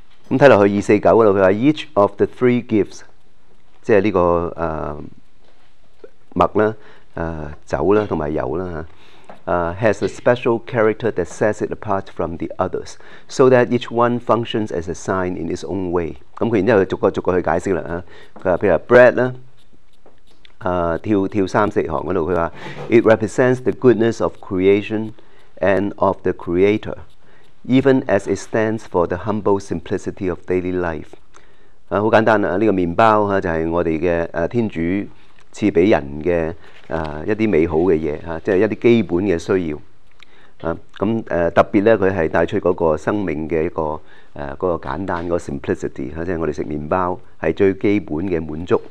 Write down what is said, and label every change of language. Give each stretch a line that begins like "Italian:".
Cantonese: 咁睇落去249嗰度，佢話
English: each of the three gifts，
Cantonese: 即係呢個麥啦、酒啦同埋油啦
English: has a special character that sets it apart from the others, so that each one functions as a sign in its own way。
Cantonese: 咁佢然之後逐個去解釋啦嚇。佢話，譬如話 bread 啦，跳三四行嗰度，佢話
English: it represents the goodness of creation and of the creator, even as it stands for the humble simplicity of daily life。
Cantonese: 好簡單啦，呢個麵包就係我哋嘅天主賜俾人嘅。一啲美好嘅嘢即係一啲基本嘅需要咁特別咧，佢係帶出嗰個生命嘅一個嗰、那個簡單嗰、那個 simplicity 即係我哋食麵包係最基本嘅滿足。